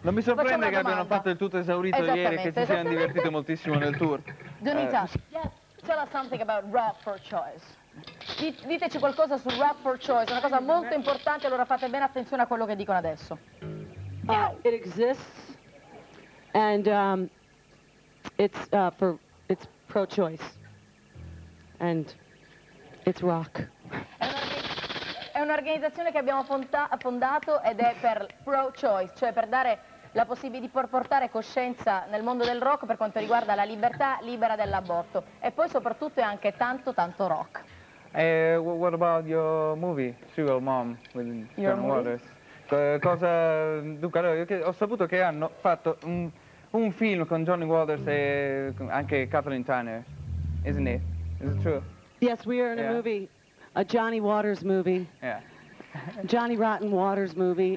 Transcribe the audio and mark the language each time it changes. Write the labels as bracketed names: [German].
[Italian] Non mi sorprende che abbiano fatto il tutto esaurito ieri, che ci siano divertiti moltissimo nel tour. [English] Donita, tell us something about Rap for Choice. [Italian] Diteci qualcosa su Rap for Choice, una cosa molto importante, allora fate bene attenzione a quello che dicono adesso. [English] It exists, and it's pro-choice, and it's rock. [Italian] È un'organizzazione che abbiamo fondato ed è per pro-choice, cioè per dare la possibilità di portare coscienza nel mondo del rock per quanto riguarda la libertà libera dell'aborto, e poi soprattutto è anche tanto rock. [English] What about your movie, Sugar Mom, with John Waters? [Italian] Cosa, dunque, allora, io ho saputo che hanno fatto un film con Johnny Waters e anche Kathleen Turner, [English] isn't it? Is it true? Yes, we are in a movie, a Johnny Waters movie. Yeah. Johnny Rotten Waters movie.